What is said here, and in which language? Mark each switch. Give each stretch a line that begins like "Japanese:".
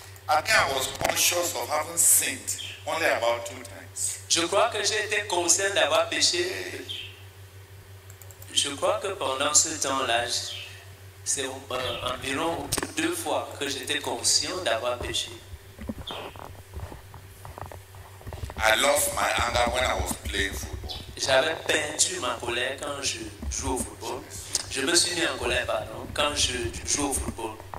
English: I think I was conscious of having sinned only about 2 times.
French: Je crois que j'étais conscient d'avoir péché. Je crois que pendant ce temps-là, c'est environ 2 fois que j'étais conscient d'avoir péché.
English: I lost my anger when I was playing football.
French: J'avais perdu ma colère quand je jouais au football. Je me suis mis en colère, pardon, quand je jouais au football.